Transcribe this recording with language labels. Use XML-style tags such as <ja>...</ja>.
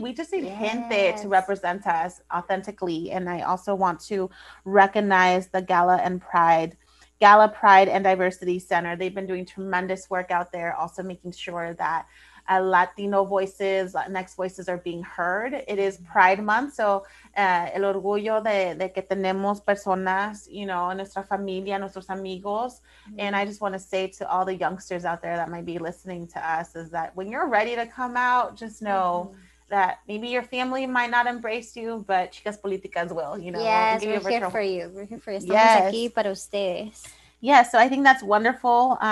<en>We just need gente to represent us authentically. And I also want to recognize the Gala Pride and Diversity Center. They've been doing tremendous work out there, also making sure that Latino voices, Latinx voices are being heard. It is Pride Month.</en> <es>So el orgullo de que tenemos personas, nuestra familia, nuestros amigos. Mm-hmm.</es> <en>And I just want to say to all the youngsters out there that might be listening to us is that when you're ready to come out, just know mm-hmm. that maybe your family might not embrace you, but Chicas Políticas will, Yes, we're here for you. We're here for you. Estamos aquí para ustedes. Yeah, so I think that's wonderful.</en>